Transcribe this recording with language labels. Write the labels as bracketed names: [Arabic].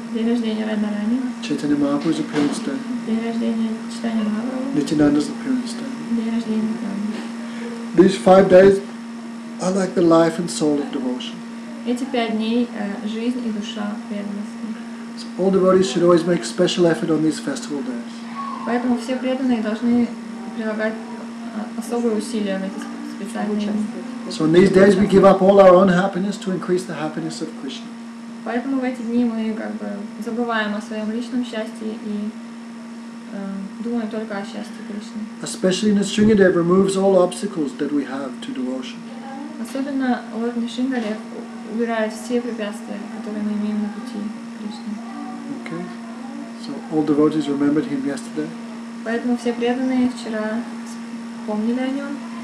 [Russian] День рождения Радхарани. [English] Chaitanya Mahaprabhu's appearance day. [Russian] День рождения Чайтанья Махапрабху. [English] Nityananda's appearance day. [Russian] День рождения Нитянанды. [English] These 5 days are like the life and soul of devotion. [Russian] Эти 5 дней жизнь и душа преданности. [English] So all devotees should always make special effort on these festival days. [Russian] Поэтому все преданные должны прилагать особые усилия на эти специальные дни. [English] So in these days we give up all our own happiness to increase the happiness of Krishna. [Russian] Поэтому в эти дни мы как бы забываем о своем личном счастье и думаем только о счастье Кришны. [English] Especially Nisringadev removes all obstacles that we have to devotion. [Russian] Особенно Лорд Нисрингадев убирает все препятствия, которые мы имеем на пути Кришны. [English] Okay. So all devotees remembered him yesterday. [Russian] Поэтому все преданные вчера помнили о нем.